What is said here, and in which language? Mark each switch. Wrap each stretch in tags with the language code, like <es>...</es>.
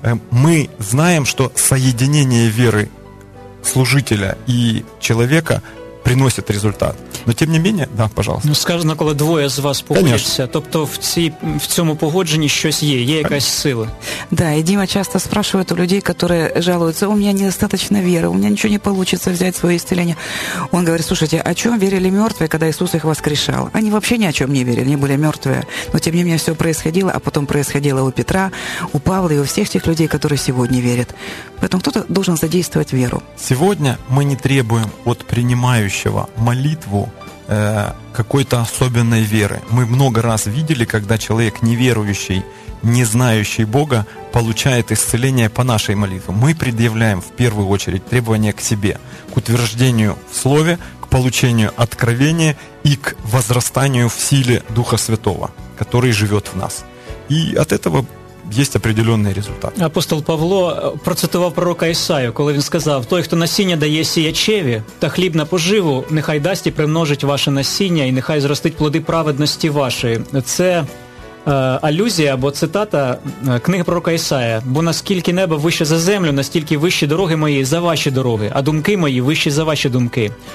<ru>Мы знаем, что соединение веры служителя и человека приносит результат. Но тем не менее, да, пожалуйста.</ru> <uk>Ну, сказано, коли</uk> <ru>двое из вас погодятся,</ru> <uk>тобто в цьому погодженні щось є, є якась сила.</uk> <ru>Да, и Дима часто спрашивает у людей, которые жалуются, у меня недостаточно веры, у меня ничего не получится взять свое исцеление. Он говорит, слушайте, о чем верили мертвые, когда Иисус их воскрешал? Они вообще ни о чем не верили, они были мертвые. Но тем не менее, все происходило, а потом происходило у Петра, у Павла и у всех тех людей, которые сегодня верят. Поэтому кто-то должен задействовать веру. Сегодня мы не требуем от принимающего молитву какой-то особенной веры. Мы много раз видели, когда человек неверующий, не знающий Бога, получает исцеление по нашей молитве. Мы предъявляем в первую очередь требования к себе, к утверждению в Слове, к получению откровения и к возрастанию в силе Духа Святого, который живет в нас. И от этого есть определенный результат.</ru> <uk>Апостол Павло процитував пророка Ісаю, коли він сказав: «Той, хто насіння дає сіячеві та хліб на поживу, нехай дасть і примножить ваше насіння, і нехай зростить плоди праведності вашої». Це алюзія або цитата книги пророка Ісая: «Бо наскільки небо вище за землю, настільки вищі дороги мої за ваші дороги, а думки мої вищі за ваші думки».</uk>